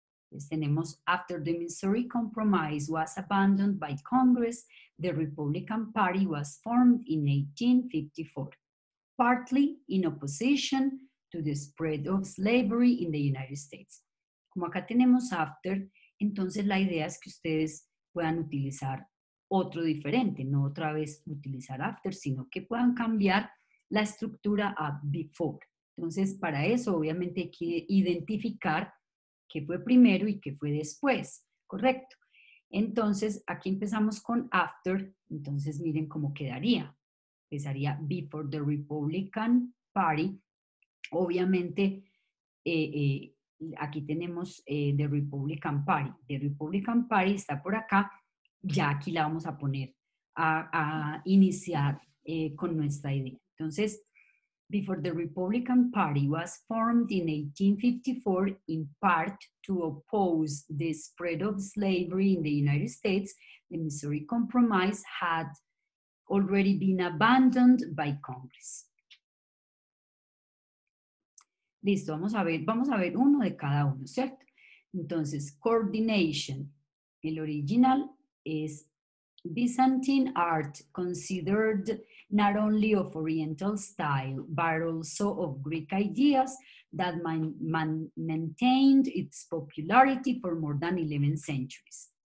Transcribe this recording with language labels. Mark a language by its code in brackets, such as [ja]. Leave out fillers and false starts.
[es] Entonces tenemos, [en] after the Missouri Compromise was abandoned by Congress, the Republican Party was formed in 1854, partly in opposition to the spread of slavery in the United States. [es] Como acá tenemos after, entonces la idea es que ustedes puedan utilizar otro diferente, no otra vez utilizar after, sino que puedan cambiar la estructura a before. Entonces, para eso, obviamente, hay que identificar qué fue primero y qué fue después, ¿correcto? Entonces, aquí empezamos con after. Entonces, miren cómo quedaría. Empezaría [en] before the Republican Party. [es] Obviamente, aquí tenemos [en] the Republican Party. [es] The Republican Party está por acá. Ya aquí la vamos a poner a iniciar con nuestra idea. Entonces, [en] before the Republican Party was formed in 1854 in part to oppose the spread of slavery in the United States, the Missouri Compromise had already been abandoned by Congress. [es] Listo, vamos a ver uno de cada uno, ¿cierto? Entonces, [en] coordination, [es] el original [en] is Byzantine art considered not only of Oriental style, but also of Greek ideas that maintained its popularity for more than 11 centuries.